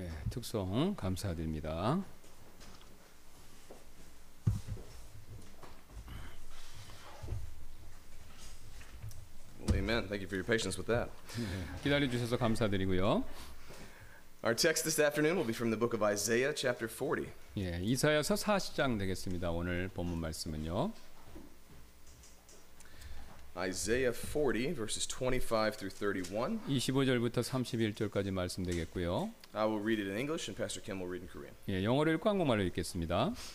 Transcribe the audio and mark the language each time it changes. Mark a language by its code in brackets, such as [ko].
[ko] 특송 감사드립니다. 아멘. [en] Thank you for your patience with that. [ko] 기다려 주셔서 감사드리고요. [en] Our text this afternoon will be from the book of Isaiah chapter 40. [ko] 예, 이사야서 40장 되겠습니다. 오늘 본문 말씀은요. [en] Isaiah 40 verses 25 through 31. [ko] 25절부터 31절까지 말씀되겠고요. [en] I will read it in English and Pastor Kim will read in Korean. [ko] 예, 영어를 읽고 한국말로 읽겠습니다.